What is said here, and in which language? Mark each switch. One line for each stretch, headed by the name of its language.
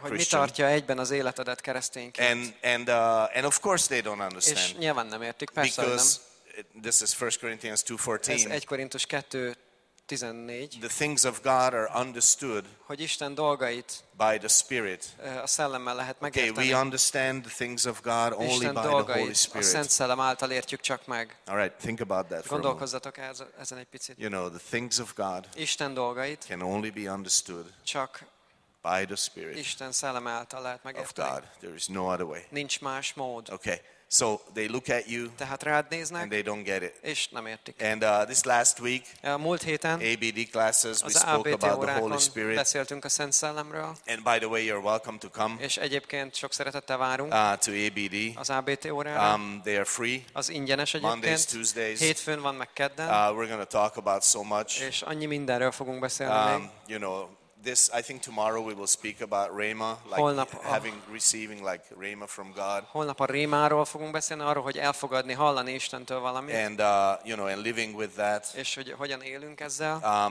Hungarian: Hogy mi tartja egyben az életedet keresztényként?
English: And of course they don't understand.
Hungarian: És nyilván nem értik, persze,
English: because
Hungarian: nem.
English: This is 1 Corinthians 2:14.
Hungarian: Ez 1 Korintus 2:14.
English: The things of God are understood.
Hungarian: Hogy Isten dolgait
English: by the Spirit.
Hungarian: A szellemmel lehet megérteni.
English: Okay, we understand the things of God only by the Holy Spirit.
Hungarian: A Szent Szellem által értjük csak meg.
English: All right, think about that.
Hungarian: Gondolkozzatok ezen egy picit.
English: You know, the things of God.
Hungarian: Isten dolgait
English: can only be understood
Hungarian: csak
English: by the Spirit.
Hungarian: Isten szelleme által lehet megérteni.
English: Of God, there is no other way.
Hungarian: Nincs más mód.
English: Okay. So they look at you,
Hungarian: tehát rád néznek,
English: and they don't get it.
Hungarian: És nem értik.
English: And this last week,
Hungarian: múlt héten,
English: ABD classes, we spoke about the Holy Spirit.
Hungarian: Beszéltünk a Szent Szellemről.
English: And by the way, you're welcome to come.
Hungarian: És egyébként sok szeretettel várunk.
English: To ABD.
Hungarian: Az ABT órára.
English: They are free.
Hungarian: Az ingyenes egyébként.
English: Mondays, Tuesdays.
Hungarian: Hétfőn van meg kedden.
English: We're going to talk about so much.
Hungarian: És annyi mindenről fogunk beszélni.
English: You know, this, I think tomorrow we will speak about Réma, like
Hungarian: holnap,
English: receiving like Réma from God.
Hungarian: Holnap a Rémáról fogunk beszélni, arról, hogy elfogadni, hallani Istentől valamit.
English: And you know, and living with that.
Hungarian: És hogy hogyan élünk ezzel.